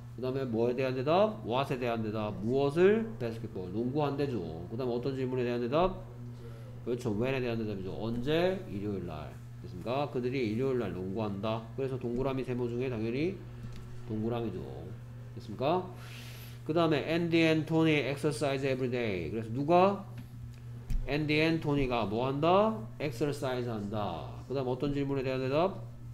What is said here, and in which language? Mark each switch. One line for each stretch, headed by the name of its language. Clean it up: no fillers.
Korean: 그 다음에 뭐에 대한 대답? What에 대한 대답? 무엇을? Basketball. 농구한대죠. 그 다음에 어떤 질문에 대한 대답? 그렇죠. When에 대한 대답이죠. 언제? 일요일날. 됐습니까? 그들이 일요일날 농구한다. 그래서 동그라미 세모 중에 당연히 동그라미죠. 됐습니까? 그 다음에
English: Andy and Tony exercise every day.
Korean: 그래서 누가? Andy and Tony가 뭐 한다? Exercise 한다. 그 다음에 어떤 질문에 대한 대답?